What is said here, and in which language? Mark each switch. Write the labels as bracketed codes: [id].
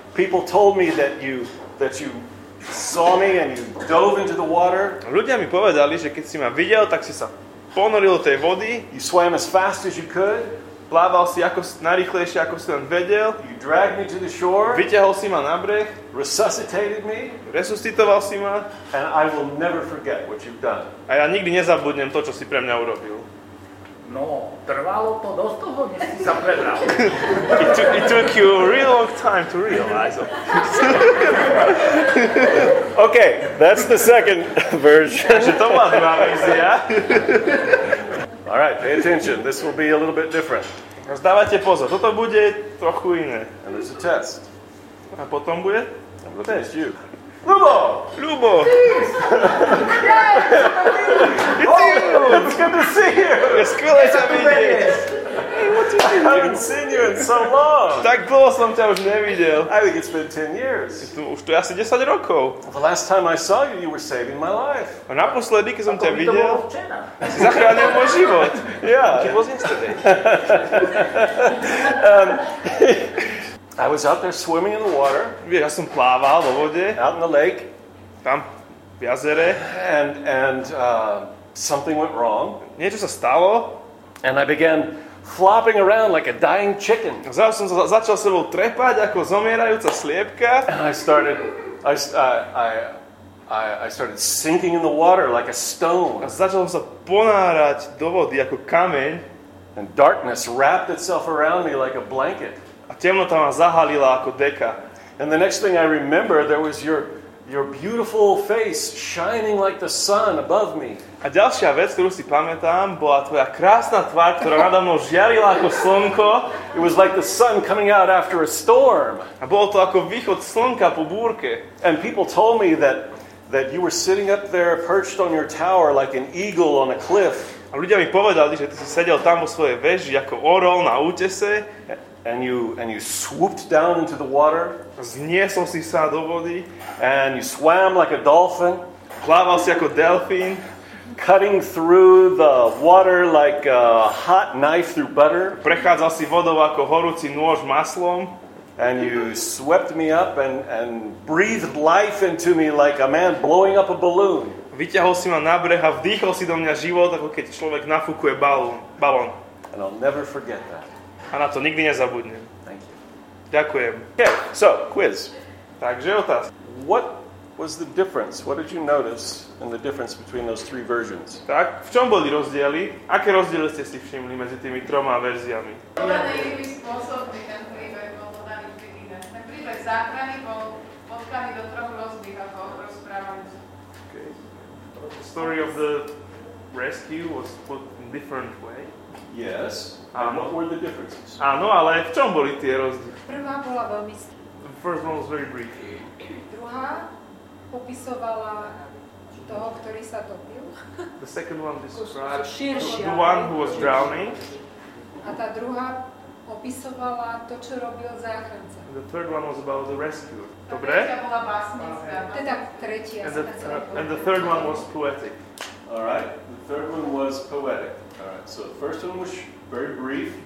[en] People told me that you saw me and you dove into the water. [sk] Ľudia mi povedali, že keď si ma videl, tak si sa ponoril do tej vody. [en] You swam as fast as you could. [sk] Plával si ako najrýchlejšie, ako si len vedel. [en] You dragged me to the shore. [sk] Vytiahol si ma na breh. [en] Resuscitated me. [sk] Resuscitoval si ma. [en] And I will never forget what you've done. [sk] A ja nikdy nezabudnem to, čo si pre mňa urobil. No, trvalo to dosť toho, než si sa prebral. [en] It took you a real long time to realize. Okay, that's the second version. [sk] Že to bola dva verzia. [en] All right, pay attention. This will be a little bit different. [sk] Zdávajte pozor. Toto bude trochu iné. [en] And there's a test. [sk] A potom bude? [en] I'm going to test you. Lubo! Lubo! Yes! It's you! It's good to see you! It's cool to see you! Hey, what are you doing? I haven't seen you in so long. [sk] Tak dlho som ťa už nevidel. [en] I think it's been 10 years. [sk] Už to je asi 10 rokov. [en] The last time I saw you, you were saving my life. [sk] A naposledy, keď som ťa videl, si zachránil môj život. [en] Yeah. It was yesterday. I was out there swimming in the water. [sk] Ja som plával vo vode. [en] Out in the lake. [sk] Tam v jazere. [en] And something went wrong. [sk] Niečo sa stalo. [en] And I began flopping around like a dying chicken. [sk] Začal sa trepať ako zomierajúca sliepka. [en] And I started sinking in the water like a stone. [sk] Začal sa ponárať do vody ako kameň. [en] And darkness wrapped itself around me like a blanket. [sk] A temnota ma zahalila ako deka. [en] And the next thing I remember, there was your beautiful face shining like the sun above me. [sk] A ďalšia vec, ktorú si pamätám, bola tvoja krásna tvár, ktorá nado mnou žiarila ako slnko. [en] It was like the sun coming out after a storm. [sk] A bolo to ako východ slnka po búrke. [en] And people told me that you were sitting up there perched on your tower like an eagle on a cliff. [sk] A ľudia mi povedali, že ty si sedel tam vo svojej veži ako orol na útese. [en] And you swooped down into the water. [sk] Zniesol si sa do vody. [en] And you swam like a dolphin. [sk] Plával si ako delfín. [en] Cutting through the water like a hot knife through butter. [sk] Prechádzal si vodou ako horúci nôž maslom. [en] And you swept me up and breathed life into me like a man blowing up a balloon. [sk] Vyťahol si ma na breh a vdýchol si do mňa život, ako keď človek nafúkuje balón. [en] And I'll never forget that. [sk] A na to nikdy nezabudnem. [en] Thank you. [sk] Ďakujem. [en] Okay, so, quiz. [sk] Takže otázka. [en] What was the difference? What did you notice in the difference between those three versions? [sk] Tak, v čom boli rozdiely? Aké rozdiely ste si všimli medzi tými troma verziami? Podaný iný spôsob, ten príbeh bol podaný úplne iné. Ten príbeh záchrany bol potkaný do troch rozdiel, ako rozprávajúci. [en] Okay. The story of the rescue was put in different way. Yes. And what were the differences? [sk] Áno, ale v čom boli tie rozdiely? Prvá bola veľmi [en] The first one was very brief. [sk] Druhá popisovala toho, ktorý sa topil. [en] The second one described [sk] širšia, [en] the one who was drowning. [sk] A tá druhá opisovala to, čo robil záchranca. [en] The third one was about the rescuer. [sk] Dobre? Tretia bola básnická. Teda tretia. [en] And the third one was poetic. All right. The third one was poetic. All right. So the first one was very brief.